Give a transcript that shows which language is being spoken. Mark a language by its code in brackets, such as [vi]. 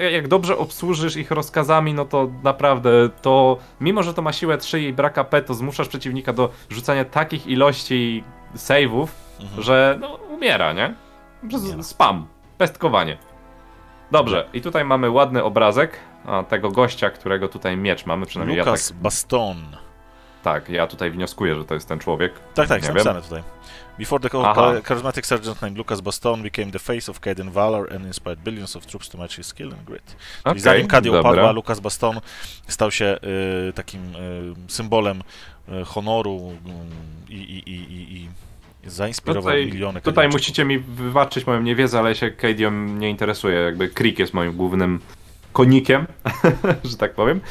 [pl] Jak dobrze obsłużysz ich rozkazami, no to naprawdę, to mimo że to ma siłę 3 i brak AP, to zmuszasz przeciwnika do rzucania takich ilości save'ów, że no umiera, nie? Spam, pestkowanie. Dobrze, i tutaj mamy ładny obrazek tego gościa, którego tutaj miecz mamy, przynajmniej Lucas ja tak... Baston. Tak, ja tutaj wnioskuję, że to jest ten człowiek. Tak, jest napisane tutaj. [en] Before the charismatic sergeant named Lucas Baston became the face of Cadian Valor and inspired billions of troops to match his skill and grit. [pl] Okay, czyli zanim Cadia upadła, Lucas Baston stał się takim symbolem honoru i zainspirował tutaj, miliony. Tutaj musicie mi wybaczyć moją niewiedzę, ale się Cadian nie interesuje. Jakby Krieg jest moim głównym konikiem, że tak powiem.